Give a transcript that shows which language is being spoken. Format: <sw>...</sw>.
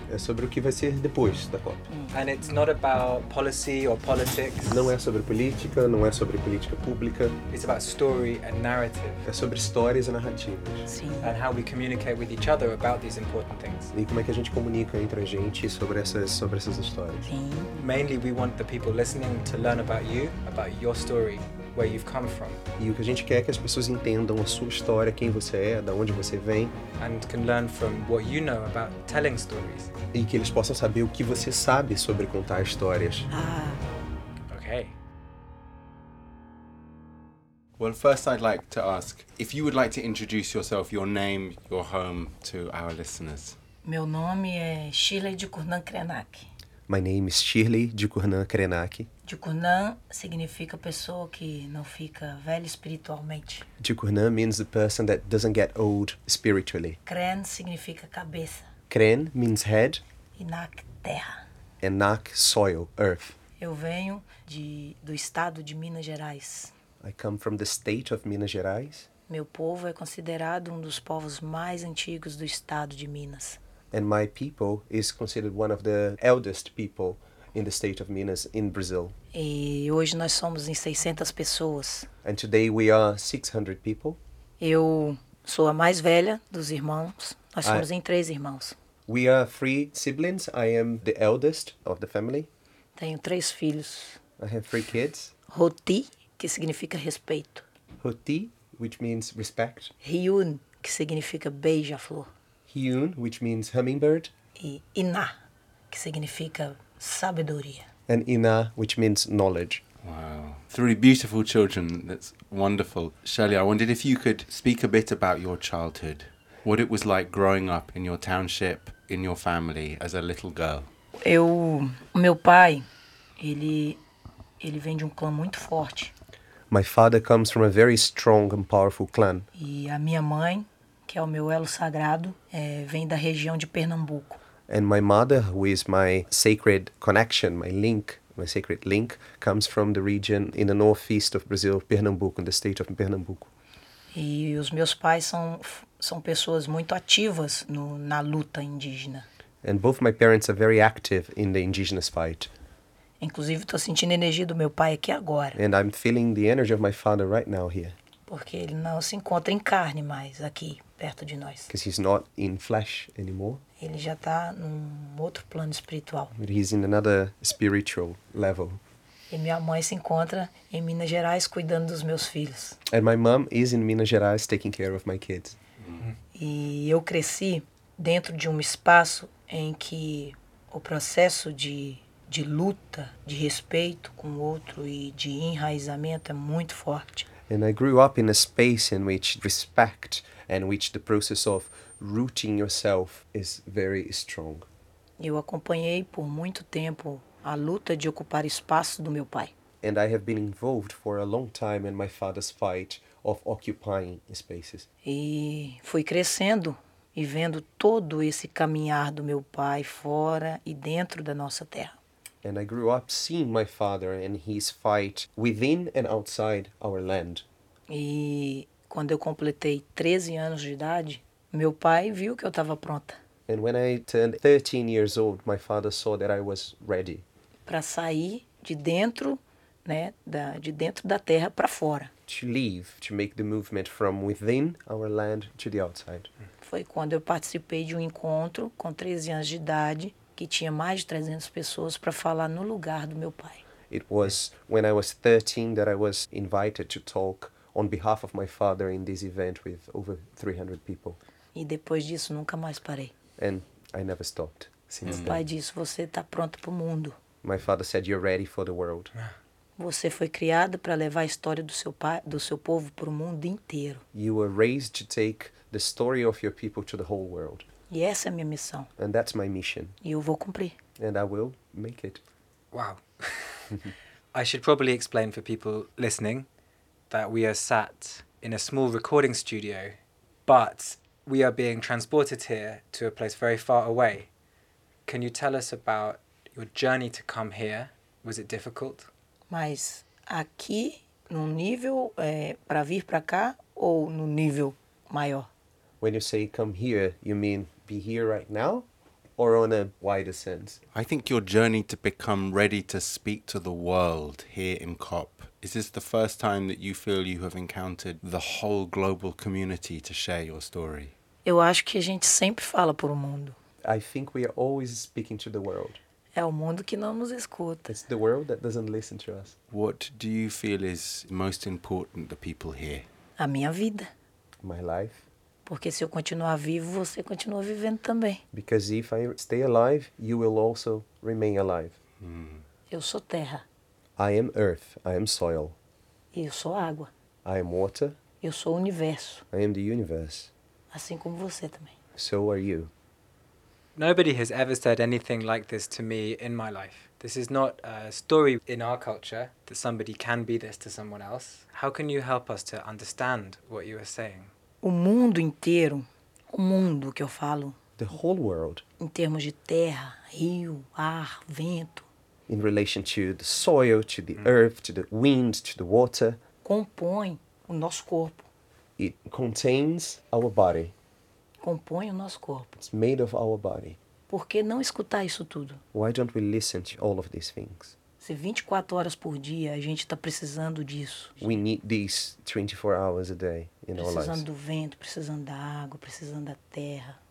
<pt>É sobre o que vai ser depois da COP.</pt> <en>And it's not about policy or politics.</en> <pt>Não é sobre política, não é sobre política pública.</pt> <en>It's about story and narrative.</en> <pt>É sobre histórias e narrativas. Sim.</pt> <en>And how we communicate with each other about these important things.</en> <pt>E como é que a gente comunica entre a gente sobre essas histórias. Sim.</pt> <en>Mainly we want the people listening to learn about you, about your story, where you've come from.</en> <pt>E o que a gente quer é que as pessoas entendam a sua história, quem você é, da onde você vem.</pt> <en>And can learn from what you know about telling stories.</en> <pt>E que eles possam saber o que você sabe sobre contar histórias. Ah.</pt> <en>Okay. Well, first I'd like to ask if you would like to introduce yourself, your name, your home to our listeners.</en> <pt>Meu nome é Shirley de Kurnan Krenak.</pt> <en>My name is Shirley de Kurnan Krenak.</en> <pt>Jukunan significa pessoa que não fica velha espiritualmente.</pt> <en>Jukunan means the person that doesn't get old spiritually.</en> <pt>Kren significa cabeça.</pt> <en>Kren means head.</en> <pt>E nak, terra.</pt> <en>And nak, soil, earth.</en> <pt>Eu venho do estado de Minas Gerais.</pt> <en>I come from the state of Minas Gerais.</en> <pt>Meu povo é considerado um dos povos mais antigos do estado de Minas.</pt> <en>And my people is considered one of the eldest people in the state of Minas in Brazil.</en> <pt>E hoje nós somos em 600 pessoas.</pt> <en>And today we are 600 people.</en> <pt>Eu sou a mais velha dos irmãos. Nós somos em três irmãos.</pt> <en>We are three siblings. I am the eldest of the family.</en> <pt>Tenho três filhos.</pt> <en>I have three kids.</en> <pt>Roti, que significa respeito.</pt> <en>Roti, which means respect.</en> <pt>Hyun, que significa beija-flor.</pt> <en>Hyun, which means hummingbird.</en> <pt>E Ina, que significa sabedoria.</pt> <en>And Ina, which means knowledge. Wow. Three beautiful children. That's wonderful. Shelley, I wondered if you could speak a bit about your childhood. What it was like growing up in your township, in your family, as a little girl.</en> <pt>Meu pai, ele vem de um clã muito forte.</pt> <en>My father comes from a very strong and powerful clan.</en> <pt>E a minha mãe, que é o meu elo sagrado, vem da região de Pernambuco.</pt> <en>And my mother, who is my sacred connection, my sacred link, comes from the region in the northeast of Brazil, Pernambuco, in the state of Pernambuco.</en> <pt>E os meus pais são pessoas muito ativas na luta indígena.</pt> <en>And both my parents are very active in the indigenous fight.</en> <pt>Inclusive, estou sentindo a energia do meu pai aqui agora.</pt> <en>And I'm feeling the energy of my father right now here.</en> <pt>Porque ele não se encontra em carne mais aqui, perto de nós.</pt> <en>Because he's not in flesh anymore.</en> <pt>Ele já está num outro plano espiritual.</pt> <en>But he's in another spiritual level.</en> <pt>E minha mãe se encontra em Minas Gerais cuidando dos meus filhos.</pt> <en>And my mom is in Minas Gerais taking care of my kids.</en> <pt>E eu cresci dentro de um espaço em que o processo de luta, de respeito com o outro e de enraizamento é muito forte.</pt> <en>And I grew up in a space in which respect and which the process of rooting yourself is very strong.</en> <pt>Eu acompanhei por muito tempo a luta de ocupar espaço do meu pai.</pt> <en>And I have been involved for a long time in my father's fight of occupying spaces.</en> <pt>E fui crescendo e vendo todo esse caminhar do meu pai fora e dentro da nossa terra.</pt> <en>And I grew up seeing my father and his fight within and outside our land.</en> <pt>E quando eu completei 13 anos de idade, meu pai viu que eu estava pronta.</pt> <en>And when I turned 13 years old, my father saw that I was ready.</en> <pt>Para sair de dentro, né, de dentro da terra para fora.</pt> <en>To leave, to make the movement from within our land to the outside.</en> <pt>Foi quando eu participei de um encontro com 13 anos de idade, que tinha mais de 300 pessoas para falar no lugar do meu pai.</pt> <en>It was when I was 13 that I was invited to talk on behalf of my father in this event with over 300 people.</en> <pt>E depois disso nunca mais parei.</pt> <en>And I never stopped since then.</en> <pt>Meu pai disse, você está pronto para o mundo.</pt> <en>My father said, you're ready for the world.</en> <pt>Você foi criado para levar a história do seu pai, do seu povo para o mundo inteiro.</pt> <en>You were raised to take the story of your people to the whole world.</en> <pt>E essa é a minha missão.</pt> <en>And that's my mission.</en> <pt>E eu vou cumprir.</pt> <en>And I will make it. Wow. I should probably explain for people listening that we are sat in a small recording studio, but we are being transported here to a place very far away. Can you tell us about your journey to come here? Was it difficult?</en> <pt>Mas aqui, no nível, para vir para cá ou no nível maior?</pt> <en>When you say come here, you mean be here right now or on a wider sense? I think your journey to become ready to speak to the world here in COP, is this the first time that you feel you have encountered the whole global community to share your story?</en> <pt>Eu acho que a gente sempre fala para o mundo.</pt> <en>I think we are always speaking to the world.</en> <pt>É o mundo que não nos escuta.</pt> <en>It's the world that doesn't listen to us. What do you feel is most important to people here?</en> <pt>A minha vida.</pt> <en>My life.</en> <pt>Porque se eu continuar vivo, você continua vivendo também.</pt> <en>Because if I stay alive, you will also remain alive.</en> <pt>Eu sou terra.</pt> <en>I am earth. I am soil.</en> <pt>Eu sou água.</pt> <en>I am water.</en> <pt>Eu sou o universo.</pt> <en>I am the universe.</en> <pt>Assim como você também.</pt> <en>So are you. Nobody has ever said anything like this to me in my life. This is not a story in our culture that somebody can be this to someone else. How can you help us to understand what you are saying?</en> <pt>O mundo inteiro, o mundo que eu falo.</pt> <en>The whole world.</en> <pt>Em termos de terra, rio, ar, vento.</pt> <en>In relation to the soil, to the earth, to the wind, to the water.</en> <pt>Compõe o nosso corpo.</pt> <en>It contains our body.</en> <pt>Compõe o nosso corpo.</pt> <en>It's made of our body.</en> <pt>Por que não escutar isso tudo?</pt> <en>Why don't we listen to all of these things?</en> <pt>Se 24 horas por dia a gente está precisando disso.</pt> <en>We need these 24 hours a day in our lives.</en> <pt>Precisando do vento, precisando da água, precisando da terra.</pt>